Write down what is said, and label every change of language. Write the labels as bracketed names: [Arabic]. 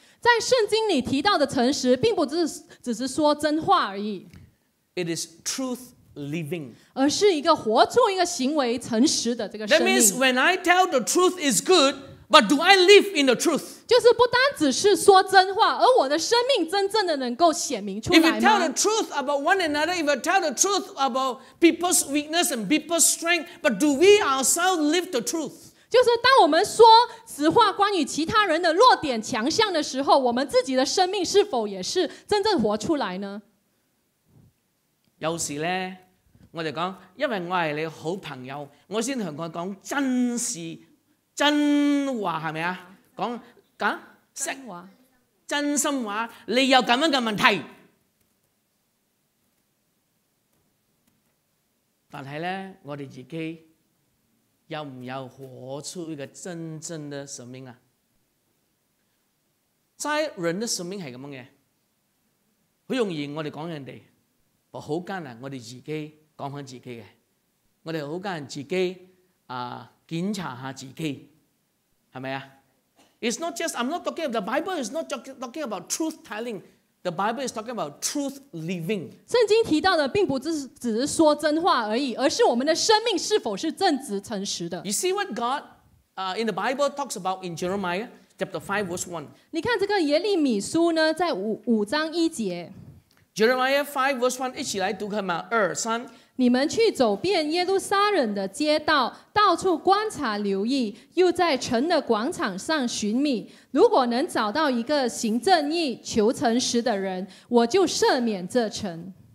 [Chinese] 在圣经里提到的诚实并不只是说真话而已。 [English] It is truth living. [Chinese] 而是一个活出一个行为诚实的这个生命。 [English] That means when I tell the truth is good,But do I live in the truth? [Chinese] 就是不单只是说真话，而我的生命真正的能够显明出来吗？ [English] If you tell the truth about one another, if you tell the truth about people's weakness and people's strength, but do we ourselves live the truth? [Chinese] 就是当我们说实话关于其他人的弱点强项的时候，我们自己的生命是否也是真正活出来呢？有时呢，我就讲，因为我是你好朋友，我先向佢讲真事。真话是不是讲真话真心话你有这样的问题。但是呢我们自己有没有活出一个真正的生命啊在人的生命是这样的。很容易我们讲人的但很艰难我们自己讲自己的。我们很艰难自己、检查一下自己。 [English] It's not just, I'm not talking about, the Bible is not talking about truth telling. The Bible is talking about truth living. [Chinese] 圣经提到的并不只是说真话而已，而是我们的生命是否是正直诚实的。 [English] You see what God, in the Bible talks about in Jeremiah, chapter 5, verse 1. [Chinese] 你看这个耶利米书呢，在五章一节。 Jeremiah 5, verse 1, 一起来读看嘛，二三。你们去走遍耶路撒冷的街道，到处观察留意，又在城的广场上寻觅。如果能找到一个行正义、求诚实的人，我就赦免这城。